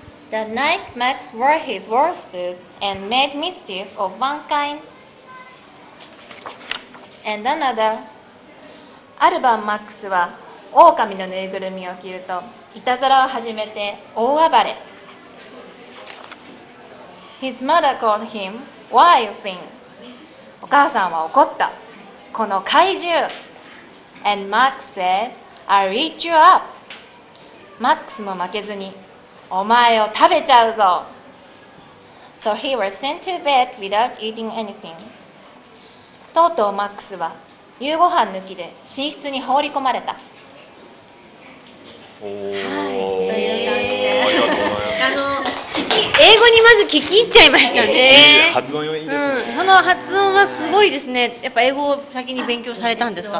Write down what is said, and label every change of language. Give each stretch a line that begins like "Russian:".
English: The night Max wore his war suit and made mischief of one kind and another.
Japanese: ある晩マックスは狼のぬいぐるみを着るといたずらを始めて大暴れ。
English: His mother called him wild thing.
Japanese: お母さんは怒った。この怪獣。
English: And Max said, I'll eat you up.
Japanese: マックスも負けずに。お前を食べちゃうぞ。
English: So he was sent to bed without eating anything.
Japanese: とうとうマックスは夕ご飯抜きで寝室に放り込まれた。おー、はい、という感じで、あの英語にまず聞き入っちゃいましたね。発音良いですね、うん、その発音はすごいですね。やっぱ英語を先に勉強されたんですか。